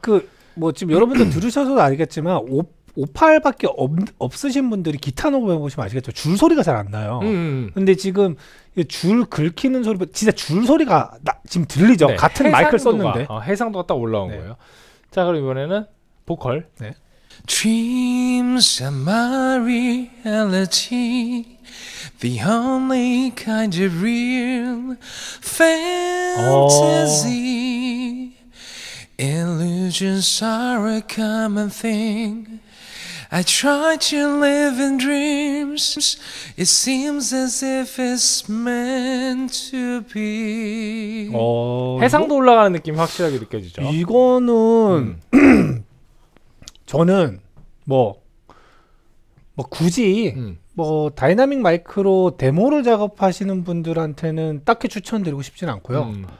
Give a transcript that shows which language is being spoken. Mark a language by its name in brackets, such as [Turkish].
[Korean] 그 뭐 지금 여러분들 들으셔서도 알겠지만 58밖에 없으신 분들이 기타 녹음해 보시면 아시겠죠. 줄 소리가 잘 안 나요. 근데 지금 줄 긁히는 소리 진짜 줄 소리가 지금 들리죠. 네, 같은 해상도가, 마이크를 썼는데 해상도가 딱 올라온 네. 거예요. 자 그럼 이번에는 보컬 네. [English] Dreams are my reality, the only kind of real fantasy. Illusions are a common thing. I try to live in dreams. It seems as if it's meant to be. [Korean] 해상도 올라가는 느낌이 확실하게 느껴지죠. 이거는 저는 뭐 굳이 뭐 다이나믹 마이크로 데모를 작업하시는 분들한테는 딱히 추천드리고 싶진 않고요.